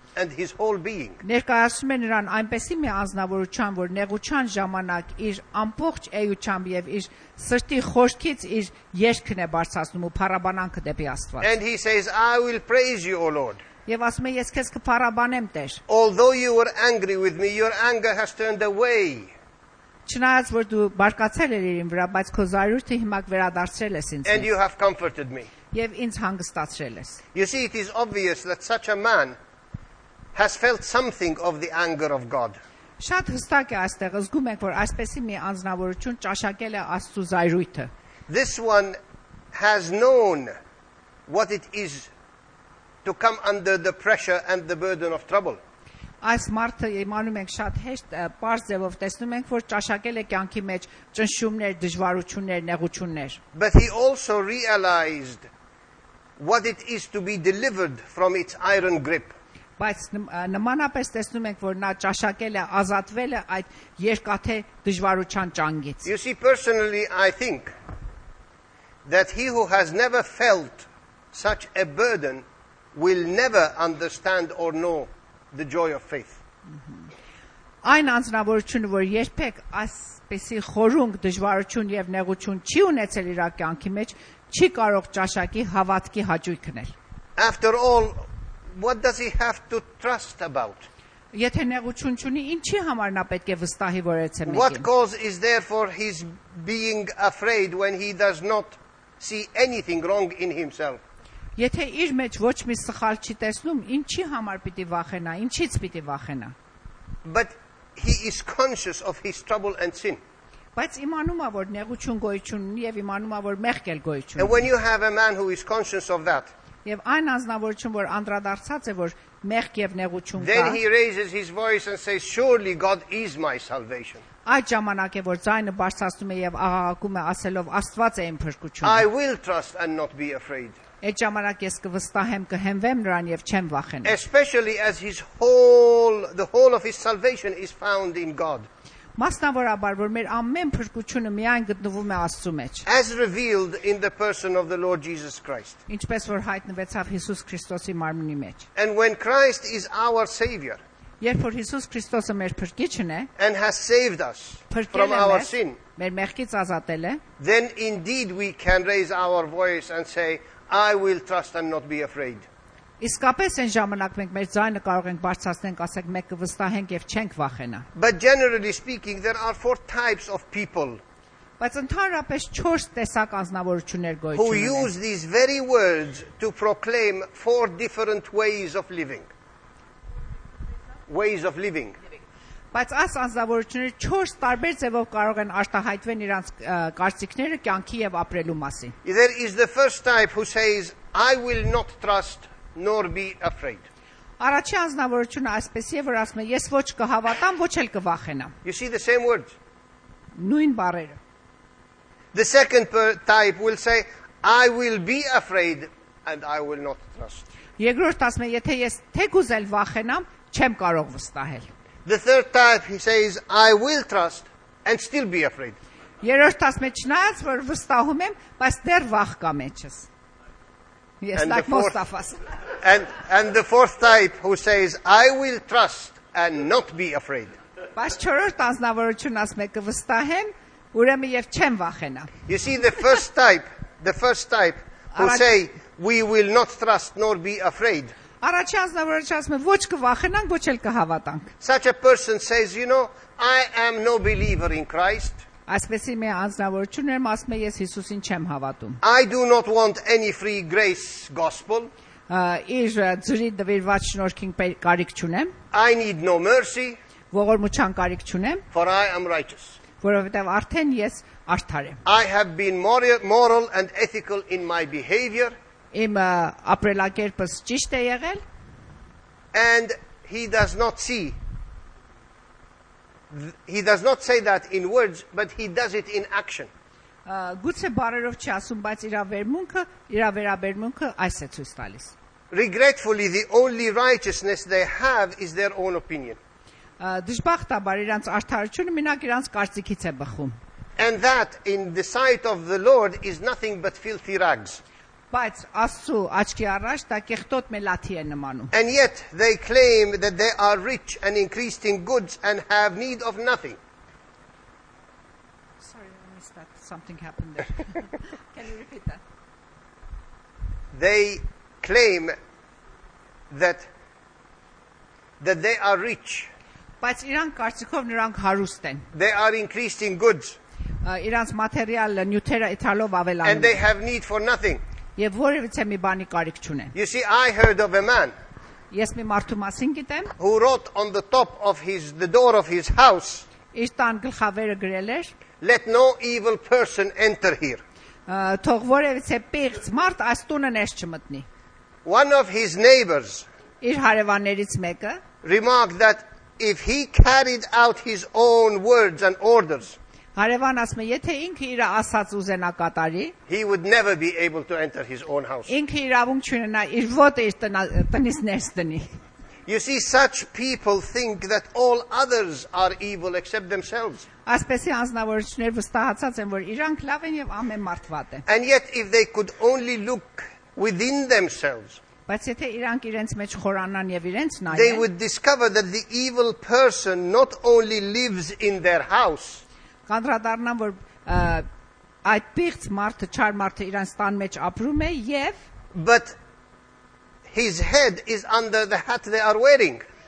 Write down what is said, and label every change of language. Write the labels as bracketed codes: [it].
[en] And his whole being. [hy] Ներկայացում է նրան այնպեսի մի ազնվորություն, որ նեղության ժամանակ իր ամբողջ էությամբ եւ իր սրտի խոշքից իր երգն է բարձրացնում ու փառաբանանքը դեպի Աստված. [en] And he says, I will praise you, O Lord. [hy] Եվ ասում է, ես քեզ կփառաբանեմ, Տեր. [en] Although you were angry with me, your anger has turned away. [hy] Չնայած որ դու բարկացել էր իմ վրա, բայց քո զայրույթը հիմա վերադարձրել ես ինձ. [en] And you have comforted me. [hy] Եվ ինձ հանգստացրել ես. [en] You see, it is obvious that such a man has felt something of the anger of God. [hy] Շատ հստակ է այստեղ, զգում եք, որ այսպեսի մի անznավորություն ճաշակել է Աստծո զայրույթը. [en] This one has known what it is to come under the pressure and the burden of trouble. [hy] Այս մարդը իմանում ենք շատ հեշտ պարզ ձևով տեսնում ենք, որ ճաշակել է կյանքի մեջ ճնշումներ, դժվարություններ, նեղություններ. [en] But he also realized what it is to be delivered from its iron grip. [hy] Բայց նմանապես տեսնում ենք, որ նա ճաշակել է, ազատվել է այդ երկաթե դժվարության ճանգից։ [en] You see, personally, I think that he who has never felt such a burden will never understand or know the joy of faith. [hy] Այն անձնավորությունը, որ երբեք այսպեսի խորունգ, դժվարություն եւ նեղություն չի ունեցել իր կյանքի մեջ, չի կարող ճաշակի հավատքի հաճույք ունել. [en] After all, what does he have to trust about? [hy] Եթե նեղություն չունի, ինչի համար նա պետք է վստահի, որ այցելի մեկին։ [en] What cause is there for his being afraid when he does not see anything wrong in himself? [hy] Եթե իր մեջ ոչ մի սխալ չի տեսնում, ինչի համար պիտի վախենա, ինչից պիտի վախենա։ [en] But he is conscious of his trouble and sin. [hy] Բայց իմանում է, որ նեղություն գոյություն ունի եւ իմանում է, որ մեղք էլ գոյություն ունի։ [en] And when you have a man who is conscious of that, [hy] եւ այն անձնավորություն, որ անդրադարձած է, որ մեղք եւ նեղություն կա, [en] then he raises his voice and says, surely God is my salvation. [hy] Այդ ժամանակ է, որ ձայնը բարձրացնում է եւ աղաղակում է, ասելով, Աստված է իմ փրկությունը. [en] I will trust and not be afraid. [hy] Այդ ժամանակ ես կվստահեմ, կհենվեմ նրան եւ չեմ վախենա. [en] Especially as his whole, the whole of his salvation is found in God. [hy] Մասնավորաբար, որ մեր ամեն փրկությունը միայն գտնվում է Աստծո մեջ. [en] As revealed in the person of the Lord Jesus Christ. [hy] Ինչպես որ հայտնվեցավ Հիսուս Քրիստոսի մարմնի մեջ. [en] And when Christ is our savior. [hy] Երբ որ Հիսուս Քրիստոսը մեր փրկիչն է. [en] And has saved us from our sin. [hy] Մեր մեղքից ազատել է. [en] Then indeed we can raise our voice and say, I will trust and not be afraid. [hy] Իսկապես այն ժամանակ մենք մեր ձայնը կարող ենք բարձրացնել, ասենք մենք կվստահենք եւ չենք վախենա. [en] But generally speaking there are four types of people. [hy] Բայց ընդհանրապես 4 տեսակ անձնավորություններ գոյություն ունեն. [en] Who use these very words to proclaim four different ways of living. Ways of living. [hy] Բայց այս անձնավորությունները 4 տարբեր ձևով կարող են արտահայտվել իրանց կարծիքները կյանքի եւ ապրելու մասին։ [en] There is the first type who says I will not trust nor be afraid. [hy] Առաջի անձնավորությունը այսպեսի է, որ ասում է, ես ոչ կհավատամ, ոչ էլ կվախենամ։ [en] You see the same words. [hy] Նույն բառերը։ [en] The second type will say I will be afraid and I will not trust. [hy] Երկրորդը ասում է, եթե ես թեկուզ էլ վախենամ, չեմ կարող վստահել։ [en] The third type he says I will trust and still be afraid. [hy] Երրորդ ասում է չնայած որ վստահում եմ, բայց դեռ վախ կա մեջս. [en] Yes, like most of us. And the fourth type who says I will trust and not be afraid. [hy] Բայց չորրորդ անձնավորությունն ասում է կվստահեմ, ուրեմն եւ չեմ վախենա. [en] You see the first type who say we will not trust nor be afraid. [hy] Առաջի անձնավորությունը ասում է ոչ կվախենանք, ոչ էլ կհավատանք. [en] Such a person says, you know, I am no believer in Christ. [hy] Այսպեսի մի անձնավորություն է, ասում է ես Հիսուսին չեմ հավատում. [en] I do not want any free grace gospel. [hy] Իսկ ծրի դվիրված շնորհքին կարիք չունեմ. [en] I need no mercy. [hy] Ողորմության կարիք չունեմ. [en] For I am righteous. [hy] Որովհետև արդեն ես արդար եմ. [en] I have been moral and ethical in my behavior. [hy] Իմ ապրելակերպս ճիշտ է եղել։ [en] And he does not say that in words, but he does it in action. [hy] Գուցե բարերով չի ասում, բայց իր վերաբերմունքը այս է ցույց տալիս։ [en] Regretfully, the only righteousness they have is their own opinion. [hy] Դժբախտաբար իրանց արդարությունը մենակ իրանց կարծիքից է բխում։ [en] And that in the sight of the Lord is nothing but filthy rags. [hy] Բայց աստու աչքի առաջ դա կեղտոտ մելաթի է նմանում։ [en] And yet they claim that they are rich and increased in goods and have need of nothing. Sorry, I missed that. Something happened there. Can you repeat that? They claim that they are rich. [hy] Բայց իրանք կարծիքով նրանք հարուստ են։ [en] They are increased in goods. [hy] Իրանց մատերիալը նյութերը իթալով ավելանում է։ [en] And they have need for nothing. [hy] Եվ որևիցե մի բանի կարիք չունեն։ [en] You see, I heard of a man. [hy] Ես մի մարդու մասին գիտեմ։ [en] Who wrote on the top of the door of his house. [hy] Իր տան գլխավերը գրել էր։ [en] Let no evil person enter here. [hy] Թող որևիցե պիղծ մարդ այս տունը ներս չմտնի։ [en] One of his neighbors. [hy] Իր հարևաններից մեկը։ [en] Remarked that if he carried out his own words and orders. [hy] Հարևան ասում է, եթե ինքը իր ասած ուզենա կատարի, [en] he would never be able to enter his own house. [hy] Ինքը իր ավունք չունենա, իր ոտը իր տնից ներս դնի։ [en] You see, such people think that all others are evil except themselves. [hy] Այսպեսի անձնավորություններ վստահացած են, որ իրանք լավ են եւ ամեն մարդ վատ է։ [en] And yet if they could only look within themselves. They would discover that the evil person not only lives in their house, but his head is under the hat they are wearing.